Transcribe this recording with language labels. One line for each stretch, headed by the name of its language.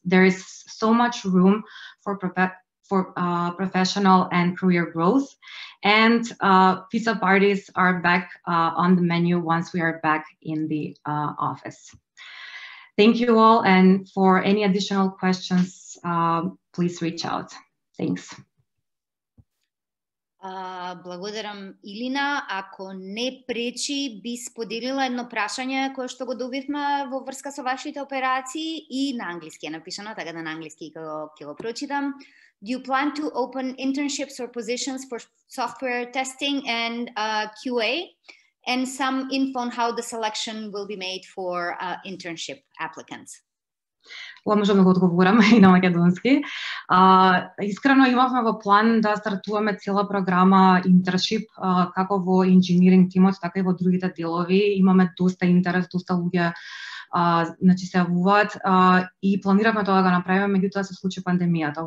English: There is so much room for professional and career growth, and pizza parties are back on the menu once we are back in the office. Thank you all, and for any additional questions, please reach out. Thanks.
Macedonian: Благодарам, Илина. Ако не пречи, би споделила едно прашање кое што го добивме во врска со вашите операции и на англиски е напишано, така да на англиски ќе го прочитам.
English: Do you plan to open internships or positions for software testing and QA? And some info on how the selection will be made for internship applicants.
Macedonian: Ова можам да го одговорам и на македонски. Искрено имавме во план да стартуваме цела програма интерншип како во инжиниринг тимот, така и во другите делови. Имаме доста интерес, доста луѓе значи се јавуваат и планиравме тоа да го направиме, меѓутоа се случи пандемијата.